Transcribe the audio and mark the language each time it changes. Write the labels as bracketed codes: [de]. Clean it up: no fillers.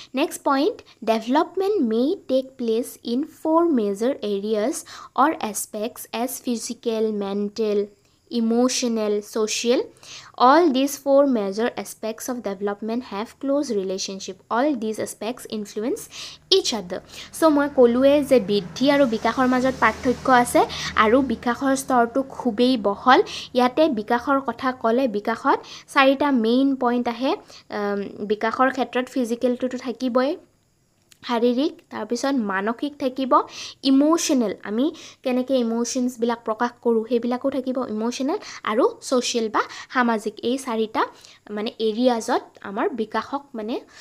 [en] Next point, development may take place in four major areas or aspects as physical, mental, emotional, social. All these four major aspects of development have close relationship. All these aspects influence each other. [as] So, মই কলুয়ে যে বৃদ্ধি আৰু বিকাশৰ মাজত পার্থক্য আছে আৰু বিকাশৰ স্তৰটো খুবেই বহল ইয়াতে বিকাশৰ কথা কলে বিকাশত চাৰিটা মেইন পইণ্ট আহে বিকাশৰ ক্ষেত্ৰত ফিজিকেলটো থাকিবই শাৰীৰিক তাৰপিছত মানসিক থাকিব ইমোশ্যনেল আমি কেনেকৈ ইমোশ্যনছবিলাক প্ৰকাশ কৰোঁ সেইবিলাকো থাকিব ইমোশ্যনেল আৰু ছ'চিয়েল বা সামাজিক এই চাৰিটা মানে এৰিয়াজত আমাৰ বিকাশক মানে